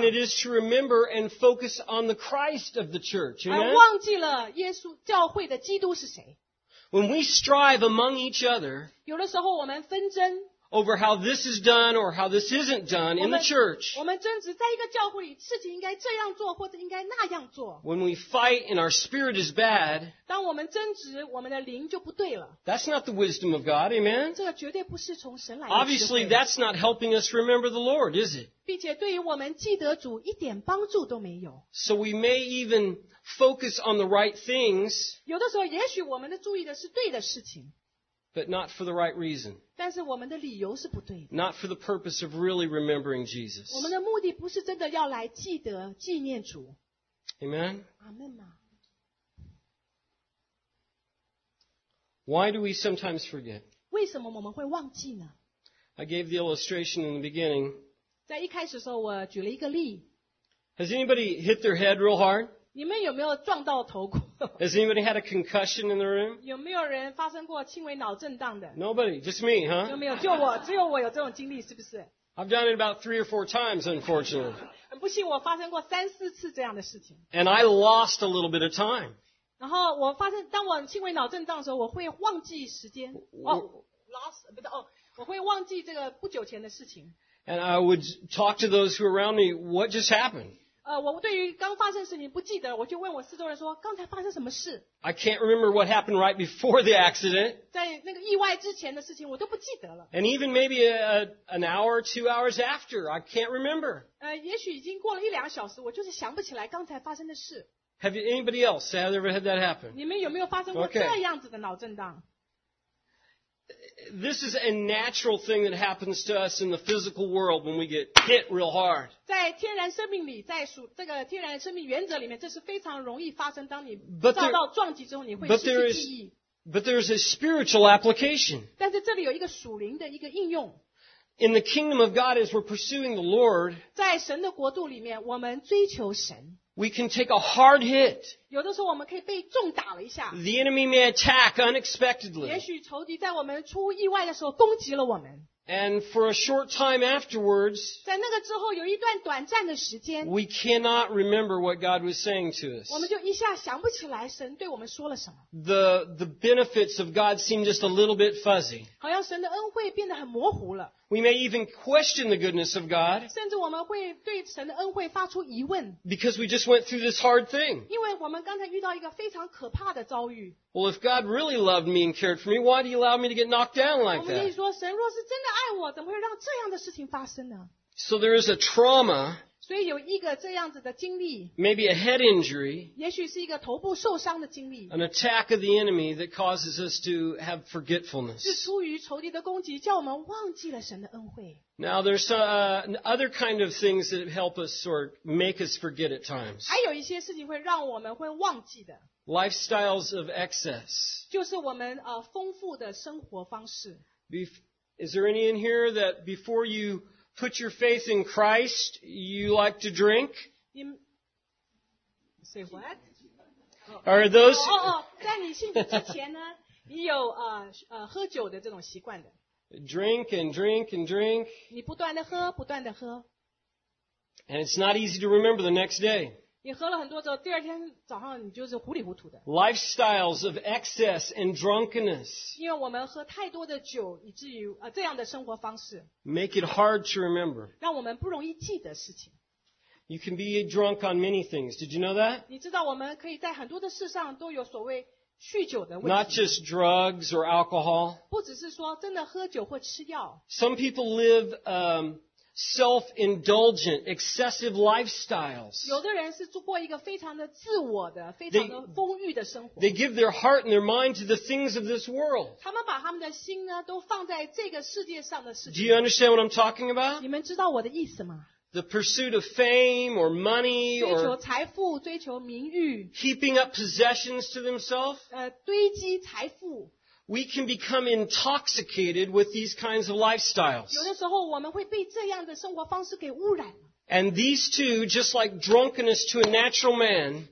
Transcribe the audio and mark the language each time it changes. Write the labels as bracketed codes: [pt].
[en] Then it is to remember and focus on the Christ of the church. [zh] 而忘记了耶稣教会的基督是谁。 [en] When we strive among each other, [zh] 有的时候我们纷争 [en] over how this is done or how this isn't done in the church. [zh] 我们争执在一个教会里事情应该这样做或者应该那样做。 [en] When we fight and our spirit is bad, [zh] 当我们争执我们的灵就不对了。 [en] That's not the wisdom of God, amen? [zh] 这个绝对不是从神来的。 [en] Obviously, that's not helping us remember the Lord, is it? [zh] 并且对于我们记得主一点帮助都没有。 [en] So we may even focus on the right things, [zh] 有的时候也许我们的注意的是对的事情。 [en] But not for the right reason. [zh] 但是我们的理由是不对的。 [en] Not for the purpose of really remembering Jesus. [zh] 我们的目的不是真的要来记得纪念主。 [en] Amen? Amen. Why do we sometimes forget? [zh] 为什么我们会忘记呢? [en] I gave the illustration in the beginning. [zh] 在一开始的时候我举了一个例。 [en] Has anybody hit their head real hard? [zh] 你们有没有撞到头过? [en] Has anybody had a concussion in the room? [zh] 有没有人发生过轻微脑震荡的? [en] Nobody, just me, huh? [zh] 有没有,就我,只有我有这种经历,是不是? [en] I've done it about 3 or 4 times, unfortunately. [zh] 很不幸我发生过三四次这样的事情。 [en] And I lost a little bit of time. [zh] 然后我发生,当我轻微脑震荡的时候,我会忘记时间。我会忘记这个不久前的事情。 [en] And I would talk to those who are around me, what just happened? [zh] 我对于刚发生事情不记得，我就问我四周人说，刚才发生什么事？ [en] I can't remember what happened right before the accident. [zh] 在那个意外之前的事情我都不记得了。 [en] And even maybe an hour or two hours after, I can't remember. [zh] 也许已经过了一两小时，我就是想不起来刚才发生的事。 [en] Have you anybody else have ever had that happen? [zh] 你们有没有发生过这样子的脑震荡？ [en] Okay. This is a natural thing that happens to us in the physical world when we get hit real hard. [zh] 在天然生命里，在属这个天然生命原则里面，这是非常容易发生。当你遭到撞击之后，你会失去记忆。 [en] But there is a spiritual application. [zh] 但是这里有一个属灵的一个应用。 [en] In the kingdom of God, as we're pursuing the Lord, [zh] 在神的国度里面，我们追求神。 [en] We can take a hard hit. [zh] 有的时候我们可以被重打了一下。 [en] The enemy may attack unexpectedly. [zh] 也许仇敌在我们出意外的时候攻击了我们。 [en] And for a short time afterwards, [zh] 在那个之后有一段短暂的时间， [en] we cannot remember what God was saying to us. [zh] 我们就一下想不起来神对我们说了什么。 [en] The benefits of God seem just a little bit fuzzy. [zh] 好像神的恩惠变得很模糊了。 [en] We may even question the goodness of God. [zh] 甚至我们会对神的恩惠发出疑问。 [en] Because we just went through this hard thing. [zh] 因为我们刚才遇到一个非常可怕的遭遇。 [en] Well, if God really loved me and cared for me, why did he allow me to get knocked down like that? [zh] 我们可以说，神若是真的爱我，怎么会让这样的事情发生呢？ [en] So there is a trauma. [zh] 所以有一个这样子的经历。 [en] Maybe a head injury. [zh] 也许是一个头部受伤的经历。 [en] An attack of the enemy that causes us to have forgetfulness. [zh] 是出于仇敌的攻击，叫我们忘记了神的恩惠。 [en] Now there's other kind of things that help us or make us forget at times. [zh] 还有一些事情会让我们会忘记的。 [en] Lifestyles of excess. [zh] 就是我们丰富的生活方式。 [en] Is there any in here that before you put your faith in Christ, you like to drink? Say what? Are those? [zh] 在你信主之前呢，你有喝酒的这种习惯的。 [en] Drink and drink and drink. [zh] 你不断的喝，不断的喝。 [en] And it's not easy to remember the next day. [zh] 你喝了很多之后，第二天早上你就是糊里糊涂的。 [en] Lifestyles of excess and drunkenness. [zh] 因为我们喝太多的酒，以至于这样的生活方式。 [en] Make it hard to remember. [zh] 让我们不容易记得事情。 [en] You can be drunk on many things. Did you know that? [zh] 你知道我们可以在很多的事上都有所谓酗酒的问题。 [en] Not just drugs or alcohol. [zh] 不只是说真的喝酒或吃药。 [en] Some people live self-indulgent, excessive lifestyles. [zh] 有的人是过一个非常的自我的，非常的丰裕的生活。 [en] They give their heart and their mind to the things of this world. [zh] 他们把他们的心呢，都放在这个世界上的事情。 [en] Do you understand what I'm talking about? [zh] 你们知道我的意思吗？ [en] The pursuit of fame or money or [zh] 追求财富，追求名誉。 [en] Keeping up possessions to themselves. [zh] 堆积财富。 [en] We can become intoxicated with these kinds of lifestyles. [zh] 有的时候我们会被这样的生活方式给污染。 [en] And these two, just like drunkenness to a natural man,